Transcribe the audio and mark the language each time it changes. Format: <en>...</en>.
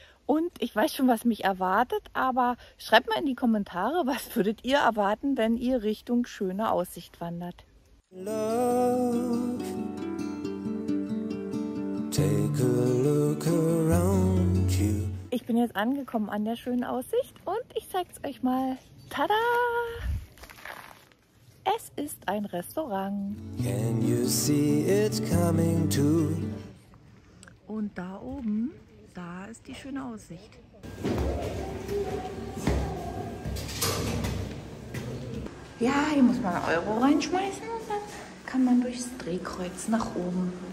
<de>Und ich weiß schon, was mich erwartet, aber schreibt mal in die Kommentare, was würdet ihr erwarten, wenn ihr Richtung schöne Aussicht wandert. Love.</de> <en>Take a look around you.</en> <de>Ich bin jetzt angekommen an der schönen Aussicht und ich zeig's euch mal. Tada! Es ist ein Restaurant.</de> <en>Can you see it coming too?</en> <de>Und da oben, da ist die schöne Aussicht. Ja, hier muss man 1 Euro reinschmeißen und dann kann man durchs Drehkreuz nach oben.</de>